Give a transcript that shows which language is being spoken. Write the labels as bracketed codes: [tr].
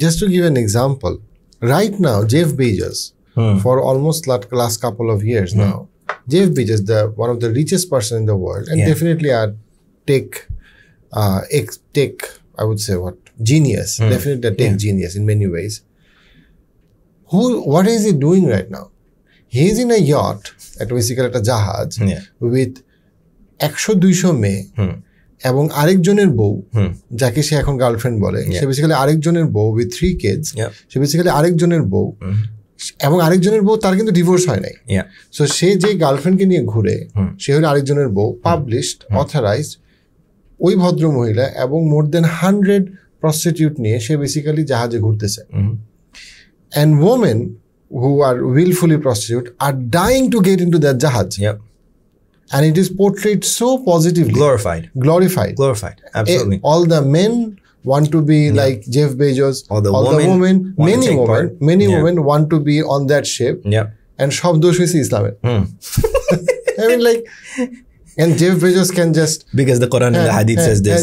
[en] Just to give an example, right now Jeff Bezos, for almost last couple of years now, Jeff Bezos, the one of the richest person in the world, and definitely a genius, definitely a tech genius in many ways. What is he doing right now? He's in a yacht, basically at a jahaj, with [bn] 100-200 মেয়ে এবং আরেকজনের বউ যাকে সে এখন girlfriend বলে সে basically আরেকজনের বউ [en] with 3 kids [bn] say basically আরেকজনের বউ এবং আরেকজনের বউ তার কিন্তু ডিভোর্স হয় নাই সো সে যে গার্লফ্রেন্ডকে নিয়ে ঘুরে সে হলো আরেকজনের বউ [en] published authorised [bn] ওই ভদ্র মহিলা এবং [en] more than 100 prostitute [bn] নিয়ে সে বেসিক্যালি জাহাজে ঘুরতেছে [en] And women who are willfully prostitute are dying to get in to that জাহাজ And it is portrayed so positively. Glorified. Absolutely. All the men want to be like Jeff Bezos. All the women. Many women want to be on that ship. Yeah. And shabdo shwisi islam. I mean like, And Jeff Bezos can just... Because the Quran and the Hadith says this.